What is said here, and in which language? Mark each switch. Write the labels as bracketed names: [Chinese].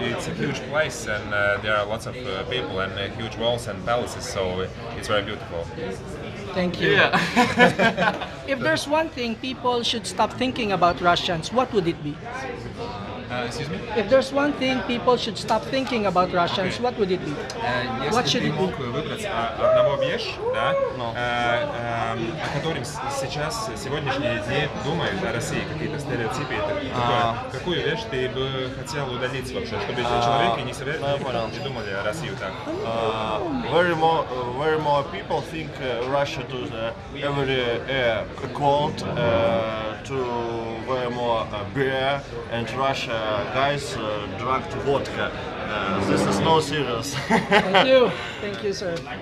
[English] It's a huge place, and there are lots of people and huge walls and palaces. So it's very beautiful. Thank you. Yeah. If there's one thing people should stop thinking about Russians, what would it be? Excuse me? If there's one thing people should stop thinking about Russians, okay. What would it be? What should it be? [Russian] Если ты мог выбрать одного вещь, да, о котором сейчас, сегодняшние дни думают о России, какие-то стереотипы, какую вещь ты бы хотел удалить вообще, чтобы человек не думали о России так? [English] Very more people think Russia to the every cold, to wear more beer, and Russia guys drank vodka. This is no serious. Thank you, sir.